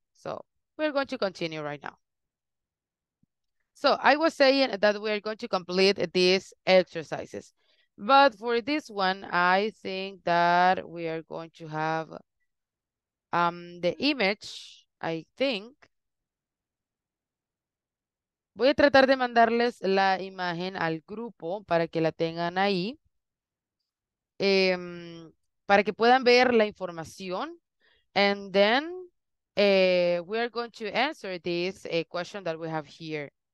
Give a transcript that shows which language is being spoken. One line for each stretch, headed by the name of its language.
English: So we're going to continue right now. So I was saying that we are going to complete these exercises, but for this one, I think that we are going to have the image, I think.
Spanish: Voy a tratar de mandarles la imagen al grupo para que la tengan ahí, para que puedan ver la información
English: And then we are going to answer this question that we have here.